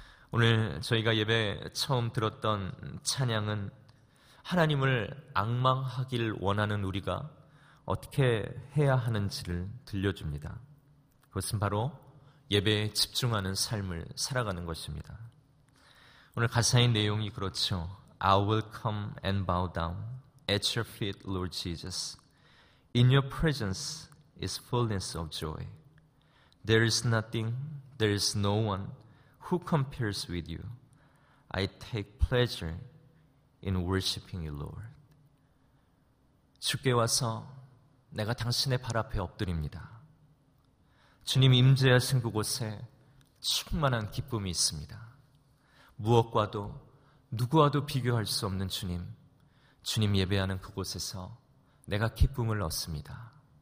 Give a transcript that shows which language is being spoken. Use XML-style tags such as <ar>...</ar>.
<ko>오늘 저희가 예배 처음 들었던 찬양은 하나님을 앙망하길 원하는 우리가 어떻게 해야 하는지를 들려줍니다. 그것은 바로 예배에 집중하는 삶을 살아가는 것입니다. 오늘 가사의 내용이 그렇죠.</ko> <en>I will come and bow down at your feet, Lord Jesus. In your presence is fullness of joy. There is nothing, there is no one who compares with you. I take pleasure in worshiping you, Lord.</en> <ko>주께 와서 내가 당신의 발 앞에 엎드립니다. 주님 임재하신 그곳에 충만한 기쁨이 있습니다. 무엇과도 누구와도 비교할 수 없는 주님, 주님 예배하는 그곳에서 내가 기쁨을 얻습니다.</ko>